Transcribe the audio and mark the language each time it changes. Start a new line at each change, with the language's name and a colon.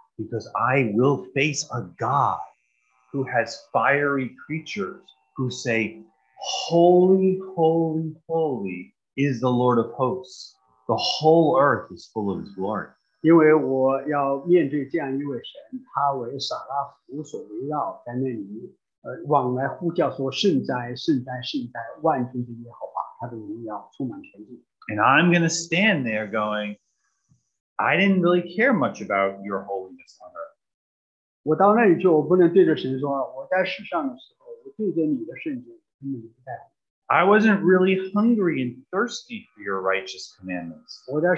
English: because I will face a God who has fiery creatures who say, "Holy, holy, holy is the Lord of hosts. The whole earth is full of his glory."
Chinese: 因为我要面对这样一位神, 他为撒拉弗所围绕在那里, 往来呼叫说圣哉, 圣哉, 圣哉, 万军的耶和华。
English: And I'm going to stand there going, I didn't really care much about your holiness on earth. I wasn't really hungry and thirsty for your righteous commandments.